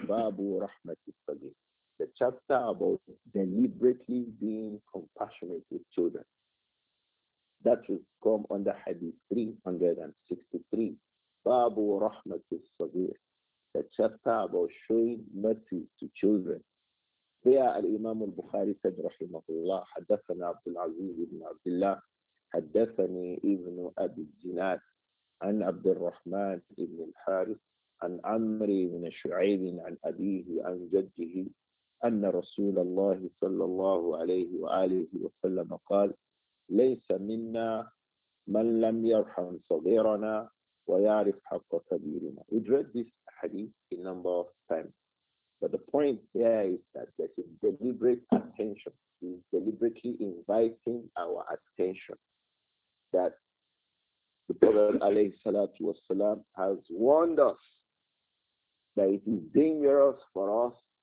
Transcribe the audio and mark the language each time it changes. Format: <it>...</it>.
<en>Babu Rahmati Sagir. The chapter about deliberately being compassionate with children. That will come under hadith 363. Babu Rahmati Sagir. The chapter about showing mercy to children.</en> <ar>رواه الإمام البخاري رحمه الله حدثنا عبد العزيز بن عبد الله حدثني ابن أبي الزناد عن عبد الرحمن بن الحارث عن عمرو بن شعيب عن أبيه عن جده أن رسول الله صلى الله عليه وآله وسلم قال ليس منا من لم يرحم صغيرنا ويعرف حق كبيرنا.</ar> <en>We read this hadith a number of times. But the point here is that there is deliberate attention. He is deliberately inviting our attention that the Prophet alayhi salatu wasalam has warned us that it is dangerous for us</en>